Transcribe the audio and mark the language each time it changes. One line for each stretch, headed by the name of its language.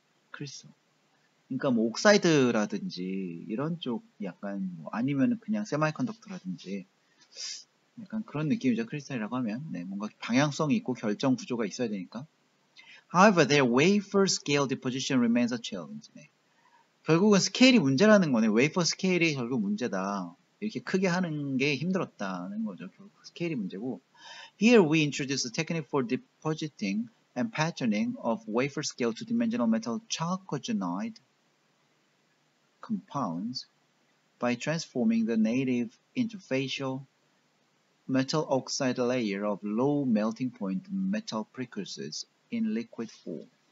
Korean: 크리스탈. 그러니까 뭐 옥사이드라든지 이런 쪽 약간 뭐 아니면 그냥 세마이컨덕터라든지 약간 그런 느낌이죠. 크리스탈이라고 하면 네, 뭔가 방향성이 있고 결정 구조가 있어야 되니까.
English: However, their wafer scale deposition remains a challenge.
Korean: 네. 결국은 스케일이 문제라는 거네. 웨이퍼 스케일이 결국 문제다. 이렇게 크게 하는 게 힘들었다는 거죠. 결국 스케일이 문제고.
English: Here we introduce a technique for depositing and patterning of wafer scale two-dimensional metal chalcogenide compounds by transforming the native interfacial metal oxide layer of low melting point metal precursors in liquid form.